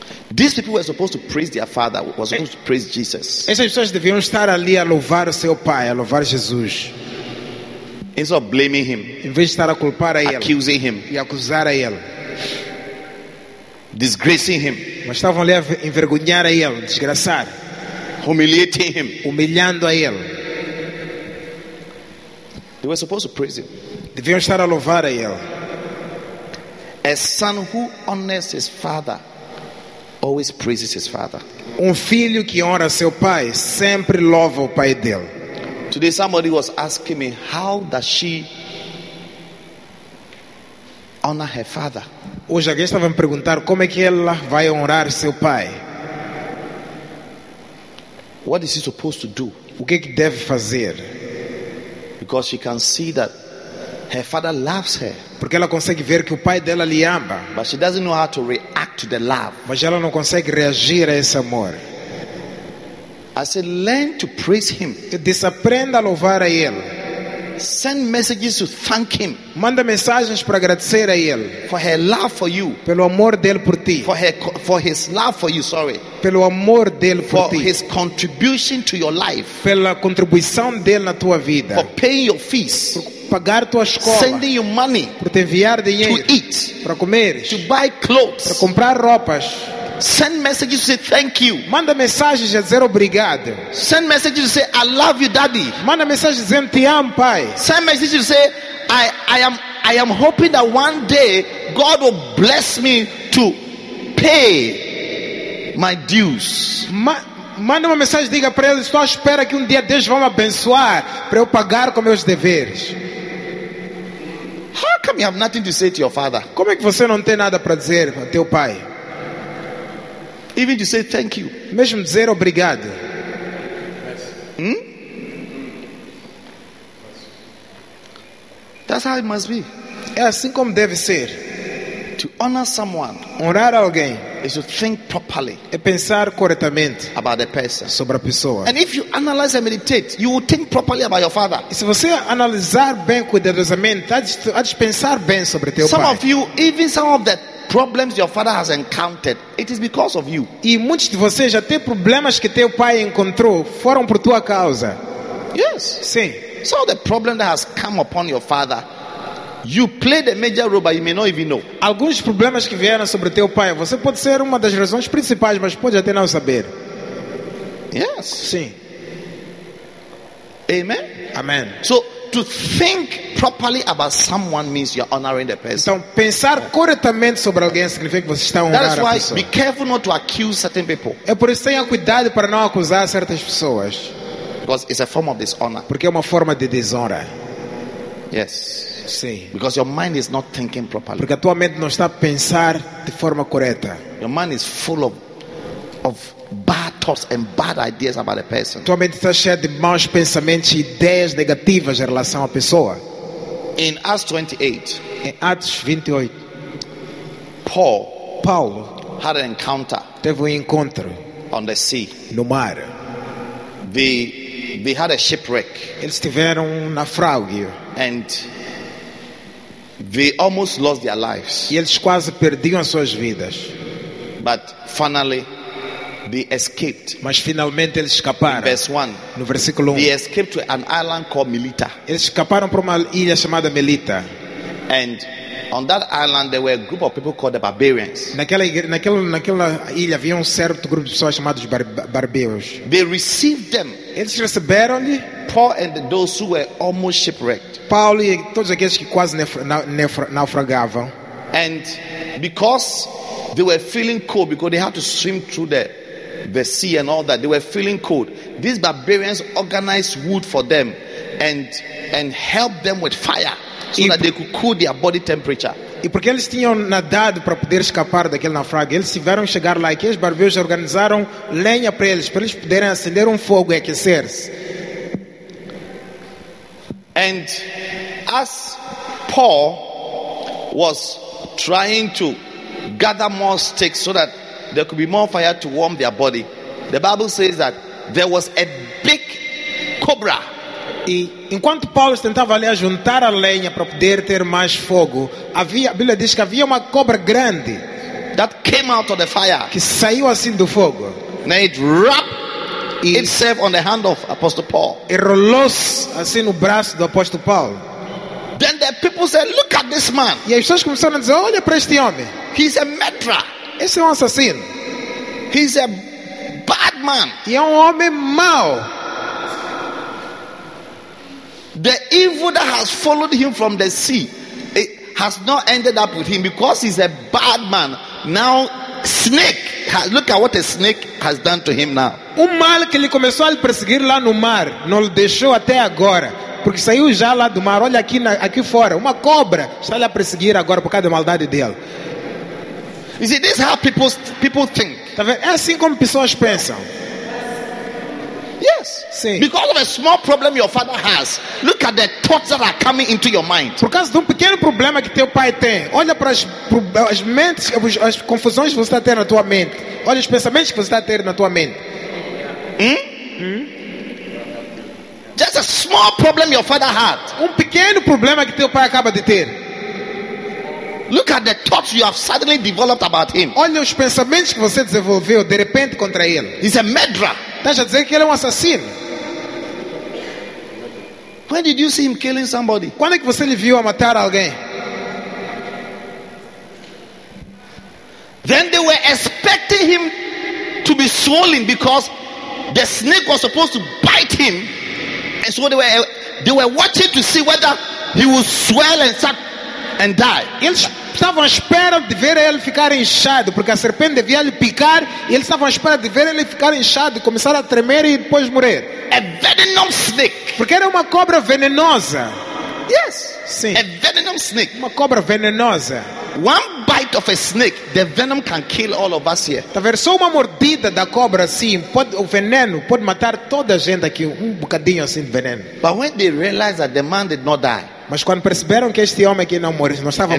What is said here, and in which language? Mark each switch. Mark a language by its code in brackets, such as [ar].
[en] These people were supposed to praise their father, were supposed to praise Jesus. [pt] Essas pessoas deviam estar ali a louvar o seu pai, a louvar Jesus. [en] Instead of blaming him, [pt] em vez de estar a culpar a ele, [en] accusing him, [pt] e acusar a ele, [en] disgracing him, [pt] mas estavam ali a envergonhar a ele, desgraçar, [en] humiliating him, [pt] humilhando a ele. [en] They were supposed to praise him. [pt] Deviam estar a louvar a ele. [en] A son who honors his father always praises his father. [pt] Um filho que honra seu pai sempre louva o pai dele. [en] Today somebody was asking me, how does she honor her father? [pt] Hoje alguém estava me perguntar como é que ela vai honrar seu pai. [en] What is she supposed to do? [pt] O que é que deve fazer? [en] Because she can see that her father loves her. [pt] Porque ela consegue ver que o pai dela lhe ama. [en] But she doesn't know how to react to the love. [pt] Mas ela não consegue reagir a esse amor. [en] I said, learn to praise him. [pt] Desaprenda a louvar a ele. [en] Send messages to thank him. [pt] Manda mensagens para agradecer a ele. [en] For her love for you. [pt] Pelo amor dele por ti. [en] For his love for you. [pt] Pelo amor dele por ti. [en] For his contribution to your life. [pt] Pela contribuição dele na tua vida. [en] For paying your fees. [pt] Pagar tua escola, [en] sending you money, [pt] por te enviar dinheiro, [en] to eat, [pt] para comeres, [en] to buy clothes, [pt] para comprar roupas. [en] Send messages to say thank you. [pt] Manda mensagens a dizer obrigado. [en] Send messages to say I love you, daddy. [pt] Manda mensagens dizendo te amo, pai. [en] Send messages to say I am hoping that one day God will bless me to pay my dues. [pt] Manda uma mensagem, diga para ele, estou à espera que um dia Deus vá me abençoar para eu pagar com meus deveres. [en] How come you have nothing to say to your father? [pt] Como é que você não tem nada para dizer ao teu pai? [en] Even to say thank you. [pt] Mesmo dizer obrigado. [en] That's how it must be. [pt] É assim como deve ser. [en] To honor someone, [pt] honrar alguém, [en] is to think properly, [pt] é pensar corretamente [en] about the person, [pt] sobre a pessoa. [en] And if you analyze and meditate, you will think properly about your father. [pt] E se você analisar bem cuidadosamente, há de pensar bem sobre teu [en] some [pt] pai. [en] Some of you, even some of the problems your father has encountered, it is because of you. [pt] E muitos de vocês, até problemas que teu pai encontrou, foram por tua causa. [en] Yes. [pt] Sim. [en] So the problem that has come upon your father, you played a major role, but you may not even know. [pt] Alguns problemas que vieram sobre teu pai, você pode ser uma das razões principais, mas pode até não saber. [en] Yes. [pt] Sim. [en] Amen. [pt] Amen. [en] So to think properly about someone means you're honoring the person. [pt] Então pensar corretamente sobre alguém significa que você está honrando a pessoa. [en] That is why be careful not to accuse certain people. [pt] É por isso tenha cuidado para não acusar certas pessoas. [en] Because it's a form of dishonor. [pt] Porque é uma forma de desonra. [en] Yes. [pt] Sim. [en] Because your mind is not thinking properly. [pt] Porque a tua mente não está a pensar de forma correta. [en] Your mind is full of bad thoughts and bad ideas about a person. [pt] Tua mente está cheia de maus pensamentos e ideias negativas em relação à pessoa. [en] In Acts 28. [pt] Em Atos 28. [en] Paul had an encounter. [pt] Teve encontro [en] on the sea. [pt] No mar. [en] They had a shipwreck. [pt] Eles tiveram um naufrágio. [en] And they almost lost their lives. [pt] E eles quase perdiam as suas vidas. [en] But finally, they escaped. [pt] Mas finalmente eles escaparam. [en] In verse 1. [pt] No versículo 1. [en] They escaped to an island called Melita. [pt] Eles escaparam para uma ilha chamada Melita. [en] And on that island, there were a group of people called the barbarians. [pt] Naquela ilha havia certo grupo de pessoas chamados barbeiros. [en] They received them. [pt] Eles receberam-lhe. [en] Paul and those who were almost shipwrecked. [pt] Paulo e todos aqueles que quase naufragavam. [en] And because they were feeling cold, because they had to swim through the sea and all that, they were feeling cold. These barbarians organized wood for them and helped them with fire. So that they could cool their body temperature. [pt] E porque eles tinham nadado para poder escapar daquele naufrágio, eles tiveram chegar lá e aqueles barbeiros organizaram lenha para eles poderem acender fogo e aquecer-se. [en] And as Paul was trying to gather more sticks so that there could be more fire to warm their body, the Bible says that there was a big cobra. [pt] E enquanto Paulo tentava ali juntar a lenha para poder ter mais fogo, havia, a Bíblia diz que havia uma cobra grande [en] that came out of the fire, [pt] que saiu assim do fogo. [en] Now it wrapped itself on the hand of Apostle Paul. [pt] E rolou-se assim no braço do Apóstolo Paulo. [en] Then the people said, "Look at this man." [pt] E as pessoas começaram a dizer, "Olha para este homem. [en] He's a murderer. [pt] Esse é um assassino. [en] He's a bad man. [pt] E é homem mau." [en] The evil that has followed him from the sea, it has not ended up with him because he's a bad man. Now, snake, look at what a snake has done to him now. [pt] O mal que ele começou a perseguir lá no mar não o deixou até agora, porque saiu já lá do mar. Olha aqui fora, uma cobra está lhe a perseguir agora por causa da maldade dele. [en] You see, this is how people think. [pt] Tá vendo? É assim como pessoas pensam. [en] Yes. [pt] Sim. [en] Because of a small problem your father has, look at the thoughts that are coming into your mind. [pt] Por causa de pequeno problema que teu pai tem, olha para as mentes, as confusões que você está tendo na tua mente. Olha os pensamentos que você está tendo na tua mente. [en] Just a small problem your father had. [pt] Pequeno problema que teu pai acaba de ter. [en] Look at the thoughts you have suddenly developed about him. [pt] Olha os pensamentos que você desenvolveu de repente contra ele. [en] He's a murderer. [pt] Estás a dizer que ele é assassino. [en] When did you see him killing somebody? [pt] Quando que você lhe viu a matar alguém? [en] Then they were expecting him to be swollen because the snake was supposed to bite him. And so they were watching to see whether he would swell and start and die. [pt] Eles estavam à espera de ver ele ficar inchado, porque a serpente devia lhe picar, e eles estavam à espera de ver ele ficar inchado, começar a tremer e depois morrer. [en] A venomous snake. [pt] Porque era uma cobra venenosa. [en] Yes. [pt] Sim. [en] A venomous snake. [pt] Uma cobra venenosa. [en] One bite of a snake, the venom can kill all of us here. [pt] Tá vendo? Só uma mordida da cobra assim, pode, o veneno pode matar toda a gente aqui, bocadinho assim de veneno. [en] But when they realized that the man did not die. [pt] Mas quando perceberam que este homem aqui não morreu, não estava